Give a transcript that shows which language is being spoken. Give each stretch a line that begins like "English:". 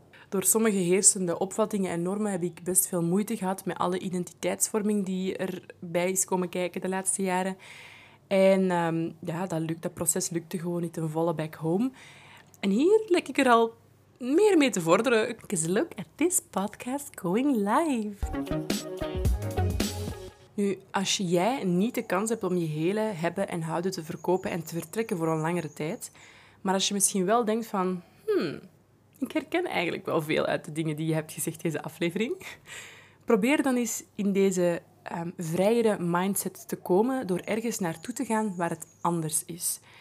Dutch: Door sommige heersende opvattingen en normen heb ik best veel moeite gehad met alle identiteitsvorming die erbij is komen kijken de laatste jaren. En dat proces lukte gewoon niet ten volle
English: back home.
Dutch: En hier lijk ik er al meer mee te vorderen.
English: Because look at this podcast going live.
Dutch: Nu, als jij niet de kans hebt om je hele hebben en houden te verkopen en te vertrekken voor een langere tijd, maar als je misschien wel denkt van, ik herken eigenlijk wel veel uit de dingen die je hebt gezegd deze aflevering, probeer dan eens in deze vrijere mindset te komen door ergens naartoe te gaan waar het anders is.